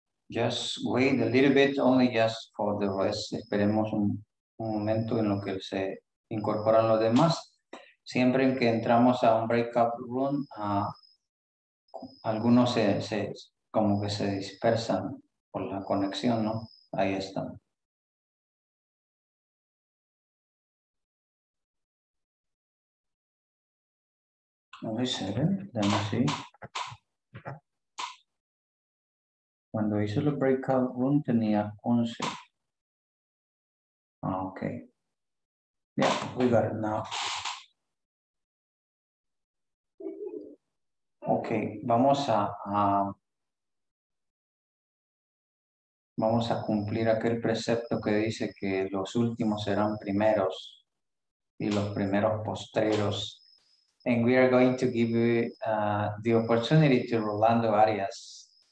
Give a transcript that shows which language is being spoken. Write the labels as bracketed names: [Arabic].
[English] Just wait a little bit, only just for the rest. [Spanish] Esperemos un momento en lo que se incorporan los demás. Siempre en que entramos a un breakout room, algunos se como que se dispersan por la conexión, ¿no? Ahí están. [English] Let me see. Let me see. [Spanish] Cuando hice el breakout room tenía 11. [English] Ah, okay. Yeah, we got it now. [Spanish] Okay, vamos a cumplir aquel precepto que dice que los últimos serán primeros y los primeros postreros. [English] And we are going to give you the opportunity to Rolando Arias.